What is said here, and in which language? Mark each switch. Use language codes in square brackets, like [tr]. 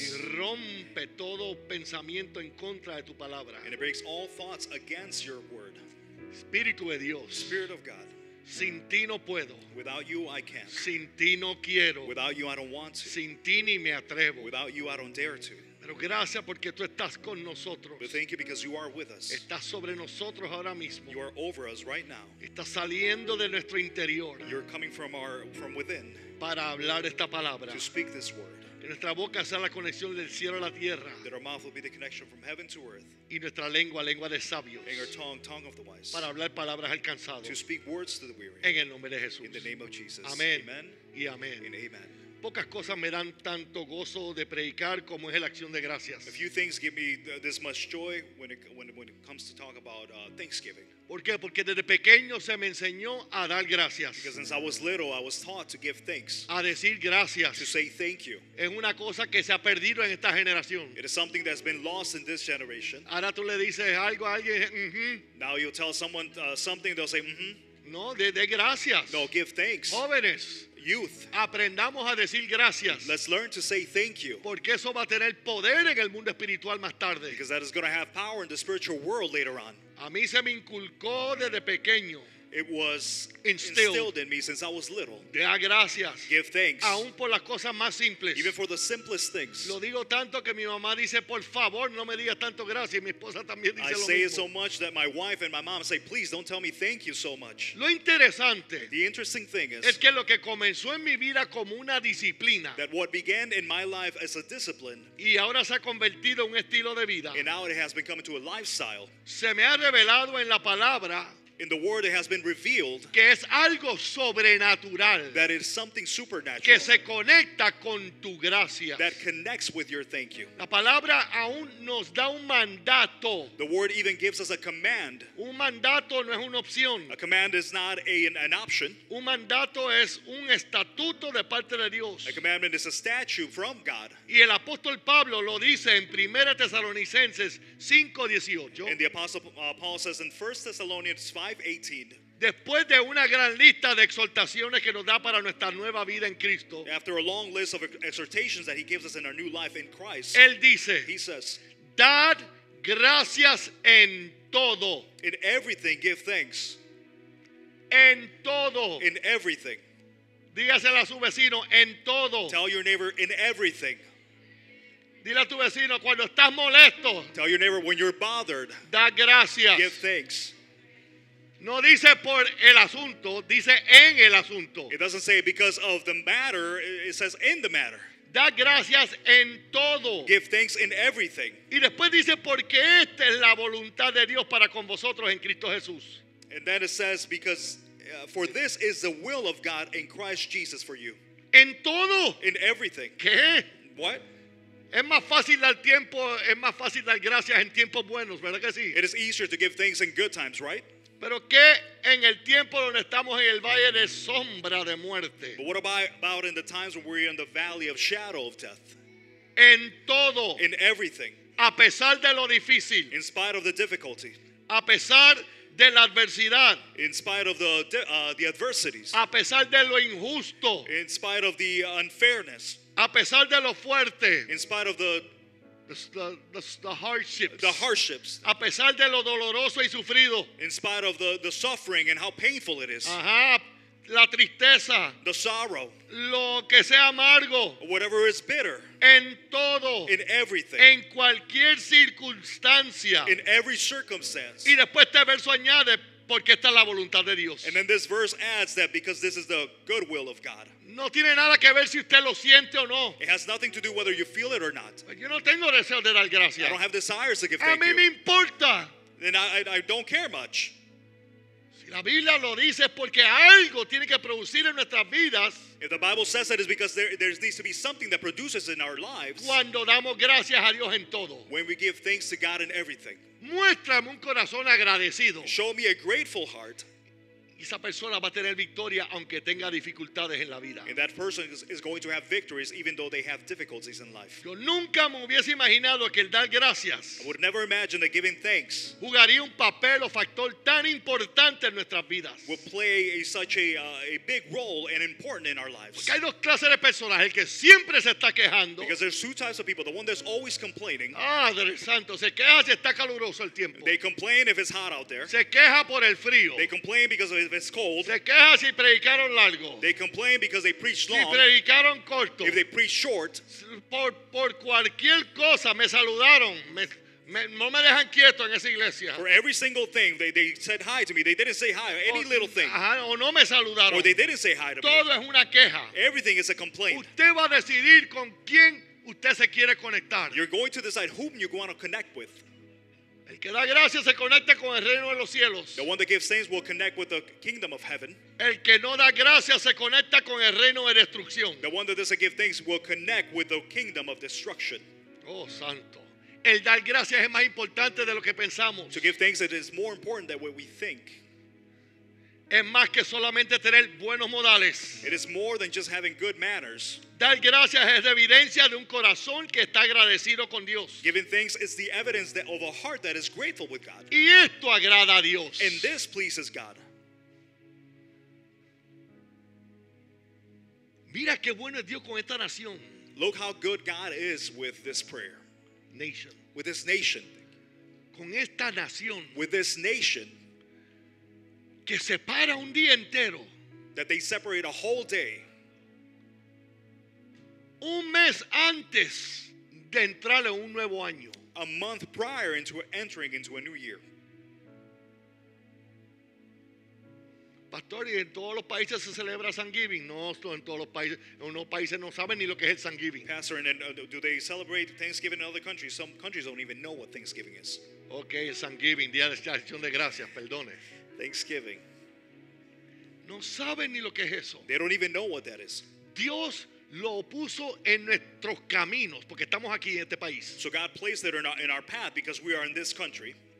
[es] Y rompe todo pensamiento en contra de tu palabra. [en] And it breaks all thoughts against your word. [es] Espíritu de Dios. [en] Spirit of God. [es] Sin ti no puedo. [en] Without you, I can't. [es] Sin ti no quiero. [en] Without you, I don't want to. [es] Sin ti ni me atrevo. [en] Without you, I don't dare to. [es] Pero gracias porque tú estás con nosotros. [en] But thank you because you are with us. [es] Estás sobre nosotros ahora mismo. [en] You are over us right now. [es] Estás saliendo de nuestro interior. [en] You're coming from within. [es] Para hablar esta palabra. [en] To speak this word. [es] Que nuestra boca sea la conexión del cielo a la tierra. [en] That our mouth will be the connection from heaven to earth. [es] Y nuestra lengua, lengua de sabios. [en] And our tongue, tongue of the wise. [es] Para hablar palabras alcanzadas. [en] To speak words to the weary. [es] En el nombre de Jesús. [en] In the name of Jesus. [es] Amén. [en] Amen. [es] Y amén. [en] And amen. [es] Pocas cosas me dan tanto gozo de predicar como es la acción de gracias. [en] A few things give me this much joy when it comes to talk about Thanksgiving. [es] ¿Por qué? Porque desde pequeño se me enseñó a dar gracias. [en] Because since I was little, I was taught to give thanks. [es] A decir gracias. [en] To say thank you. [es] Es una cosa que se ha perdido en esta generación. [en] It is something that's been lost in this generation. [es] Ahora tú le dices algo a alguien. Mm-hmm. [en] Now you tell someone something, they'll say mm-hmm. [es] No, de gracias. [en] No, give thanks. [es] Jóvenes. [en] Youth. [es] Aprendamos a decir gracias. [en] Let's learn to say thank you. [es] Porque eso va a tener poder en el mundo espiritual más tarde. [en] Because that is going to have power in the spiritual world later on. [es] A mí se me inculcó desde pequeño. [en] It was instilled in me since I was little. [es] De a gracias. [en] Give thanks. [es] Aún por las cosas más simples. [en] Even for the simplest things. [es] Lo digo tanto que mi mamá dice, por favor, no me digas tanto gracias. Mi esposa también dice lo mismo. [en] I say it so much that my wife and my mom say, please don't tell me thank you so much. [es] Lo interesante. [en] The interesting thing is. [es] Es que lo que comenzó en mi vida como una disciplina. [en] That what began in my life as a discipline. [es] Y ahora se ha convertido en un estilo de vida. [en] And now it has become into a lifestyle. [es] Se me ha revelado en la palabra. [en] In the word, it has been revealed [es] que es algo sobrenatural, [en] that it is something supernatural [es] que se conecta con tu gracias, [en] that connects with your thank you. [es] La palabra aún nos da un mandato. [en] The word even gives us a command. [es] Un mandato no es una opción. [en] A command is not an option. [es] Un mandato es un estatuto de parte de Dios. [en] A commandment is a statute from God. [es] Y el apóstol Pablo lo dice en 1 Tesalonicenses 5:18. [en] And the apostle Paul says in 1 Thessalonians 5:18. [es] Después de una gran lista de exhortaciones que nos da para nuestra nueva vida en Cristo. [en] After a long list of exhortations that he gives us in our new life in Christ. [es] Él dice, [en] he says, [es] dad gracias en todo. [en] In everything give thanks. [es] En todo. [en] In everything. [es] Dígaselo a su vecino, en todo. [en] Tell your neighbor in everything. [es] Dile a tu vecino cuando estás molesto. [en] Tell your neighbor when you're bothered. [es] Da gracias. [en] Give thanks. [es] No dice por el asunto, dice en el asunto. [en] It doesn't say because of the matter, it says in the matter. [es] Da gracias en todo. [en] Give thanks in everything. [es] Y después dice porque esta es la voluntad de Dios para con vosotros en Cristo Jesús. [en] And then it says because for this is the will of God in Christ Jesus for you. [es] En todo. [en] In everything. [es] ¿Qué? [en] What? [es] Es más fácil dar tiempo, es más fácil dar gracias en tiempos buenos, ¿verdad que sí? [en] It is easier to give thanks in good times, right? [es] Pero qué en el tiempo donde estamos en el valle de sombra de muerte. [en] But what about in the times when we're in the valley of shadow of death? [es] En todo. [en] In everything. [es] A pesar de lo difícil. [en] In spite of the difficulty. [es] A pesar de la adversidad. [en] In spite of the adversities. [es] A pesar de lo injusto. [en] In spite of the unfairness. [es] A pesar de lo fuerte. [en] In spite of the hardships. The hardships. [es] A pesar de lo doloroso y sufrido. [en] In spite of the suffering and how painful it is. [es] Ajá. La tristeza. [en] The sorrow. [es] Lo que sea amargo. [en] Whatever is bitter. [es] En todo. [en] In everything. [es] En cualquier circunstancia. [en] In every circumstance. [es] Y después este verso añade porque esta es la voluntad de Dios. [en] And then this verse adds that because this is the good will of God. [es] No tiene nada que ver si usted lo siente o no. [en] It has nothing to do whether you feel it or not. [es] Yo no tengo deseo de dar gracias. [en] I don't have desires to give thank [es] you. A mí me importa. [en] And I don't care much. [es] Si la Biblia lo dice porque algo tiene que producir en nuestras vidas. [en] If the Bible says that, it's because there needs to be something that produces in our lives. [es] Cuando damos gracias a Dios en todo. [en] When we give thanks to God in everything. [es] Muéstrame un corazón agradecido. [en] Show me a grateful heart. [es] Esa persona va a tener victoria aunque tenga dificultades en la vida. [en] And that person is going to have victories even though they have difficulties in life. [es] Yo nunca me hubiese imaginado que el dar gracias, [en] I would never imagine that giving thanks, [es] jugaría un papel o factor tan importante en nuestras vidas, [en] would play such a big role and important in our lives. [es] Porque hay dos clases de personas: el que siempre se está quejando. [en] Because there's two types of people: the one that's always complaining. [es] Padre Santo, se queja si está caluroso el tiempo. [en] They complain if it's hot out there. [es] Se queja por el frío. [en] They complain because of if it's cold. [es] Se queja si predicaron largo. [en] They complain because they preached long. [es] Si predicaron corto. [en] If they preached short. [es] Por cualquier cosa me saludaron. No me dejan quieto en esa iglesia. [en] For every single thing they said hi to me. They didn't say hi. Any little thing. [es] O no me saludaron. [en] Or they didn't say hi to [es] todo [en] me. [es] Todo es una queja. [en] Everything is a complaint. [es] Usted va a decidir con quién usted se quiere conectar. [en] You're going to decide whom you want to connect with. [es] El que da gracias se conecta con el reino de los cielos. [en] The one that gives thanks will connect with the kingdom of heaven. [es] El que no da gracias se conecta con el reino de destrucción. [en] The one that doesn't give thanks will connect with the kingdom of destruction. [es] Oh, santo. El dar gracias es más importante de lo que pensamos. [en] To give thanks, it is more important than what we think. [es] Es más que solamente tener buenos modales. [en] It is more than just having good manners. [es] Dar gracias es la evidencia de un corazón que está agradecido con Dios. [en] Giving thanks is the evidence that of a heart that is grateful with God. [es] Y esto agrada a Dios. [en] And this pleases God. [es] Mira qué bueno es Dios con esta nación. [en] Look how good God is with this prayer. Nation. With this nation. [es] Con esta nación. [en] With this nation. [es] Que separa un día entero. [en] That they separate a whole day. [es] Un mes antes de entrar en un nuevo año. [en] A month prior into entering into a new year. [es] Pastor, ¿y en todos los países se celebra Thanksgiving? No, en todos los países. En unos países no saben ni lo que es Thanksgiving. [en] Pastor, do they celebrate Thanksgiving in other countries? Some countries don't even know what Thanksgiving is. [es] Okay, Thanksgiving, Día de Acción de Gracias, perdone. [en] Thanksgiving. [es] No saben ni lo que es eso. [en] They don't even know what that is. [es] Dios lo puso en nuestros caminos porque estamos aquí en este país. [en] So God placed it in our path because we are in this country.